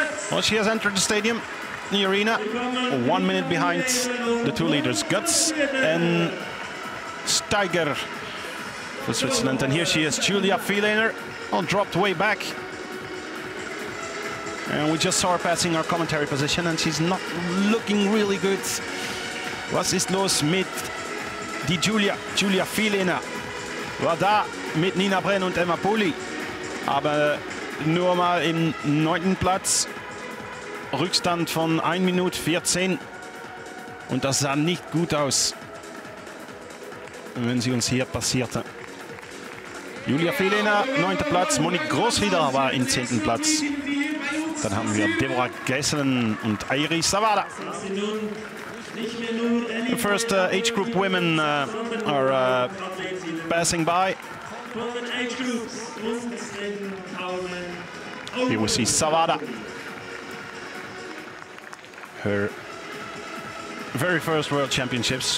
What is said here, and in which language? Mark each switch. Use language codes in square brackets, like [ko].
[en] Well, she has entered the stadium, the arena, 1 minute behind the 2 liters, Guts and Steiger for Switzerland. And here she is, Julia Vielener, all dropped way back. And we just saw her passing our commentary position, and she's not looking really good. [de] Was ist los mit die Julia Vielener? War da mit Nina Brenn und Emma Pooley. Aber nur mal im 9. Platz. Rückstand von 1 Minute 14. Und das sah nicht gut aus, wenn sie uns hier passierte. Julia Vielener, 9. Platz. Monique Großrieder war im 10. Platz. Dann haben wir Deborah Gesselen und Iris Zavala. [en] The first age group women are passing by. Here we see Zavada. Her very first world championships.